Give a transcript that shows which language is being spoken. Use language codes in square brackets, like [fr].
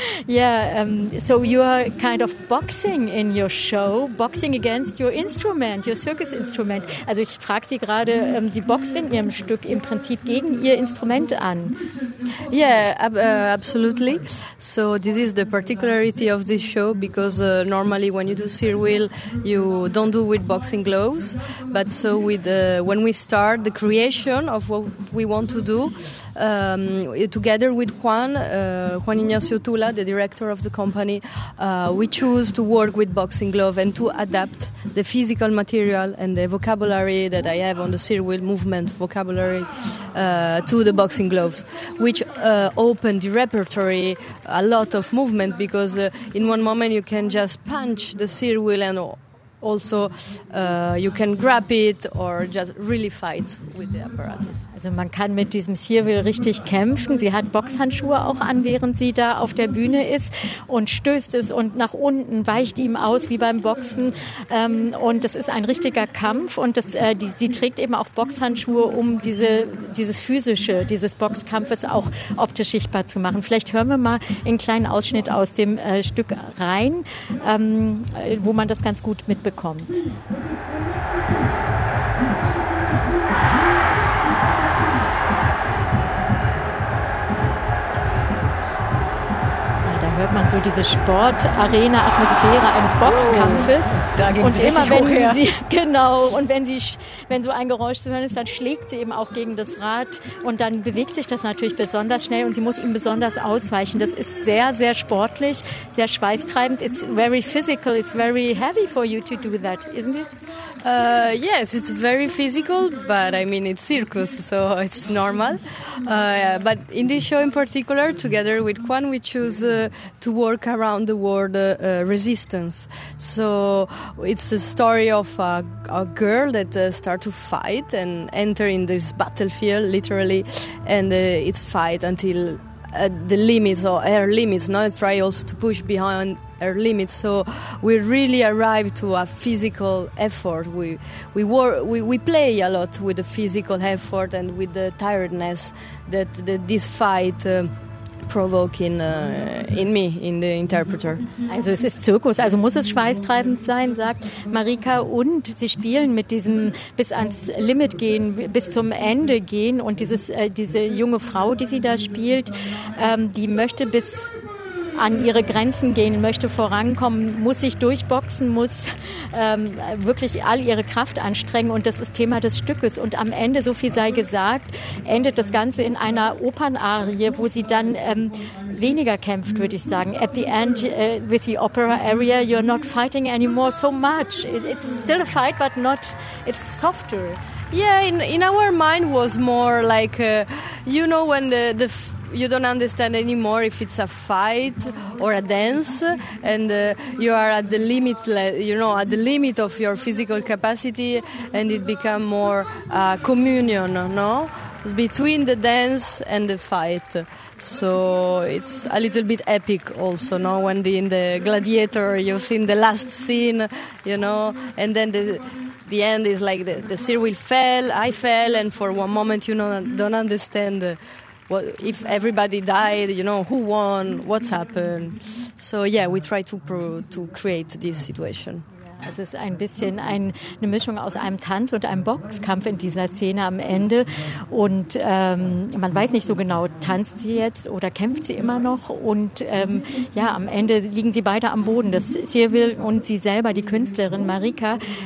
[en] Yeah, so you are kind of boxing in your show, boxing against your instrument, your circus instrument. [de] Also ich frage sie gerade, sie boxt in ihrem Stück im Prinzip gegen ihr Instrument an. [en] Yeah, absolutely. So this is the particularity of this show, because normally when you do Sir Wheel, you don't do with boxing gloves, but so with when we start the creation of what we want to do, together with Juan Ignacio Tula, the director of the company, we choose to work with boxing glove and to adapt the physical material and the vocabulary that I have on the Sir Wheel movement vocabulary to the boxing gloves, which opened the repertory a lot of movement, because in one moment you can just punch the Sir Wheel and also you can grab it or just really fight with the apparatus. [de] Also man kann mit diesem Sirwil richtig kämpfen. Sie hat Boxhandschuhe auch an, während sie da auf der Bühne ist und stößt es und nach unten weicht ihm aus wie beim Boxen. Und das ist ein richtiger Kampf und sie trägt eben auch Boxhandschuhe, um dieses physische, dieses Boxkampfes auch optisch sichtbar zu machen. Vielleicht hören wir mal einen kleinen Ausschnitt aus dem Stück rein, wo man das ganz gut mitbekommt. Hört man so diese Sportarena-Atmosphäre eines Boxkampfes. Oh, da geht's und immer wenn hoch her. Sie genau und wenn sie wenn so ein Geräusch zu hören ist, dann schlägt sie eben auch gegen das Rad und dann bewegt sich das natürlich besonders schnell und sie muss ihm besonders ausweichen. Das ist sehr sehr sportlich, sehr schweißtreibend. [en] It's very physical. It's very heavy for you to do that, isn't it? Yes, it's very physical, but I mean it's circus, so it's normal. But in this show in particular, together with Juan, we choose to work around the word resistance. So it's a story of a girl that starts to fight and enter in this battlefield, literally, and it's fight until the limits, or her limits, no? It's try also to push behind her limits. So we really arrive to a physical effort. We play a lot with the physical effort and with the tiredness that this fight provoking in me, in the interpreter. [de] Also es ist Zirkus, also muss es schweißtreibend sein, sagt Marika. Und sie spielen mit diesem bis ans Limit gehen, bis zum Ende gehen. Und dieses diese junge Frau, die sie da spielt, die möchte bis an ihre Grenzen gehen, möchte vorankommen, muss sich durchboxen, muss wirklich all ihre Kraft anstrengen, und das ist Thema des Stückes. Und am Ende, so viel sei gesagt, endet das Ganze in einer Opernarie, wo sie dann weniger kämpft, würde ich sagen. [en] At the end with the opera aria, you're not fighting anymore so much. It's still a fight, but not, it's softer. Yeah, in our mind was more like, you know, when the you don't understand anymore if it's a fight or a dance, and you are at the limit, you know, at the limit of your physical capacity, and it become more communion, no, between the dance and the fight. So it's a little bit epic also, no, when in the gladiator you've seen the last scene, you know, and then the end is like the Cyril fell, I fell, and for one moment you don't understand what, if everybody died, you know, who won, what's happened. So yeah, we try to create this situation. [de] Also es ist ein bisschen eine Mischung aus einem Tanz und einem Boxkampf in dieser Szene am Ende. Und man weiß nicht so genau, tanzt sie jetzt oder kämpft sie immer noch? Und ja, am Ende liegen sie beide am Boden, das Cyril und sie selber, die Künstlerin Marika.